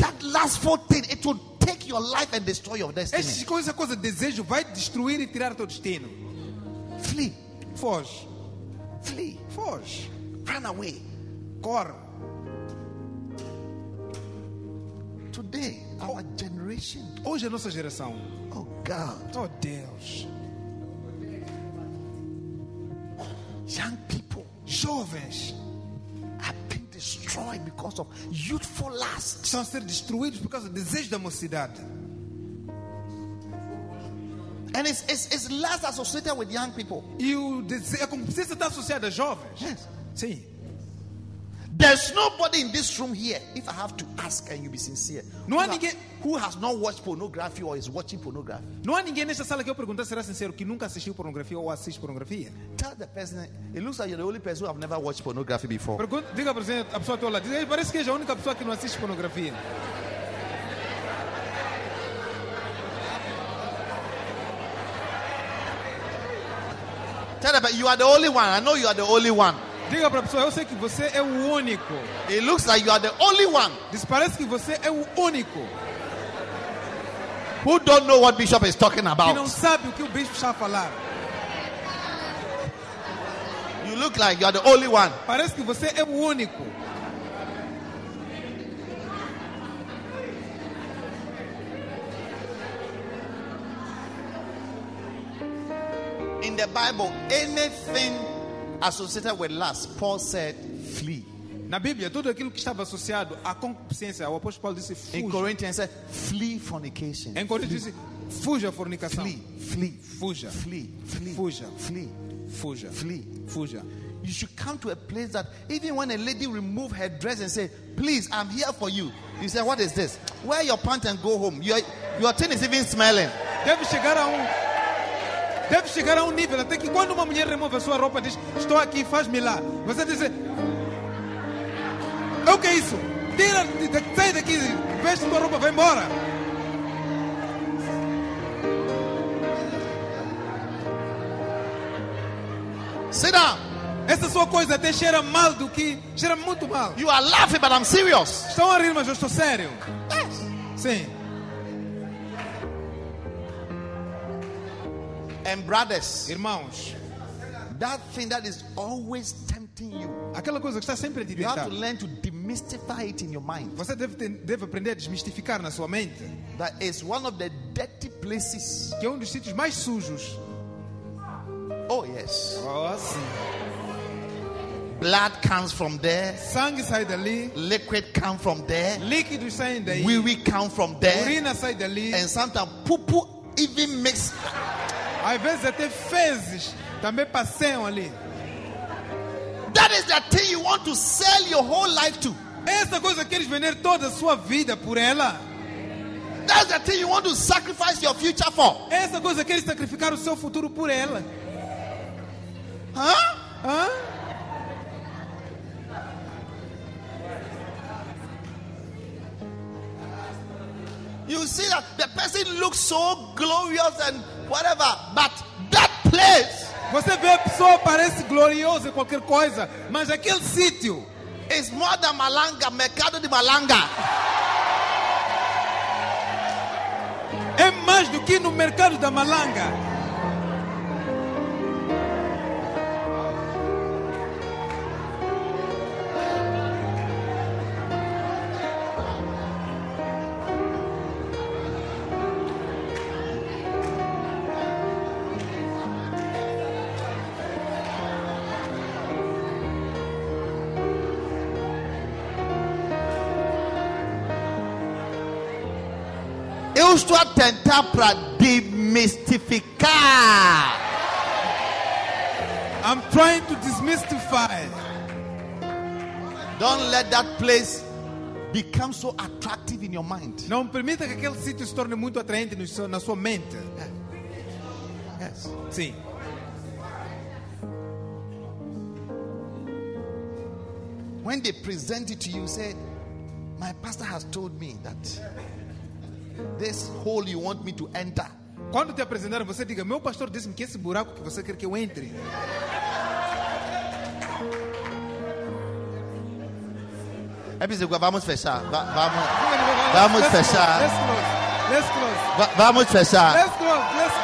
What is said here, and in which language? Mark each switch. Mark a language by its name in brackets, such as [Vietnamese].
[English] That last 14, it will take your life and destroy your destiny. [Portuguese] Essa coisa, coisa desejo vai destruir e tirar teu destino. [English] Flee, [Portuguese] foge. [English] Flee, [Portuguese] foge. [English] Run away. [Portuguese] Corre. [English] Today, our generation. [Portuguese] Hoje é a nossa geração. [English] Oh God. [Portuguese] Oh Deus. [English] Young people. [Portuguese] Jovens. [English] Destroyed because of youthful lust. [Portuguese] Estão a ser destruídos por causa do desejo da mocidade. [English] And it's lust associated with young people. [Portuguese] E o desejo está associado a jovens. [English] Yes. [Portuguese] Sim. [English] There's nobody in this room here. If I have to ask, and you be sincere? [Portuguese] Não há ninguém [English] who has not watched pornography or is watching pornography. [Portuguese] Não há ninguém nesta sala que eu perguntar será sincero que nunca assistiu pornografia ou assiste pornografia. [English] Tell the person, it looks like you're the only person who have never watched pornography before. [Portuguese] Pergunta, diga para a pessoa toda lá. Diga, parece que é a única pessoa que não assiste pornografia. [English] Tell the person, you are the only one. I know you are the only one. [Portuguese] Diga para a pessoa, eu sei que você é o único. [English] It looks like you are the only one. [Portuguese] Diz, parece que você é o único. [English] Who don't know what Bishop is talking about? [Portuguese] Que não sabe o que o Bishop está a falar. [English] You look like you are the only one. [Portuguese] Parece que você é o único. [English] In the Bible, anything associated with lust, Paul said, flee. [Portuguese] Na Bíblia, tudo aquilo que estava associado à concupiscência, o apóstolo Paulo disse, fuja. [English] In Corinthians, said, flee fornication. [Portuguese] Em Coríntios, disse, fuja fornicação. [English] Flee, flee, [Portuguese] fuja. [English] Flee, flee, [Portuguese] fuja. [English] Flee, [Portuguese] fuja. [English] Flee, [Portuguese] fuja. [English] You should come to a place that even when a lady removes her dress and say, please, I'm here for you, you say, what is this? wear your pants and go home. Your thing is even smelling. [Portuguese] Deve chegar a um nível até que quando uma mulher remove a sua roupa diz estou aqui, faz-me lá. Você diz, o que é isso? Tira, sai daqui, veste tua roupa, vai embora. [English] Sit down. [Portuguese] Essa sua coisa até cheira mal do que cheira muito mal. [English] You are laughing, but I'm serious. [Portuguese] Estão a rir, mas eu estou sério. [English] Yes. [Portuguese] Sim. [English] And brothers, [Portuguese] irmãos, [English] that thing that is always tempting you, [Portuguese] aquela coisa que está sempre a tentar, [English] you have to learn to demystify it in your mind. [Portuguese] Você deve aprender a desmistificar na sua mente. [English] That is one of the dirty places. [Portuguese] Que é um dos sítios mais sujos. [English] Oh yes. [Portuguese] Oh sim. [English] Blood comes from there. [Portuguese] Sangue sai dali. [English] Liquid comes from there. [Portuguese] Líquido sai daí. [English] Wee comes from there. [Portuguese] Urina sai dali. [English] And sometimes poo even mix. [Portuguese] Às vezes até fezes também passam ali. [English] That is the thing you want to sell your whole life to. [Portuguese] Essa coisa queres vender toda a sua vida por ela. [English] That is the thing you want to sacrifice your future for. [Portuguese] Essa coisa queres sacrificar o seu futuro por ela. Huh? Huh? [English] You see that the person looks so glorious and whatever, but that place. [Portuguese] Você vê a pessoa parece gloriosa em qualquer coisa, mas aquele sítio [English] is more than Malanga, Mercado de Malanga. [Portuguese] É mais do que no Mercado da Malanga. Eu estou a tentar para demistificar. [English] I'm trying to demystify. Don't let that place become so attractive in your mind. [Portuguese] Não permita que aquele sítio se torne muito atraente na sua mente. [English] Yes. [Portuguese] Sim. [English] When they present it to you, say, my pastor has told me that this hole you want me to enter. [Portuguese] Quando te apresentar, você diga, meu pastor disse-me que esse buraco que você quer que eu entre. Vamos fechar. Vamos fechar. [English] Let's close. [Portuguese] Vamos fechar. [English] Let's close.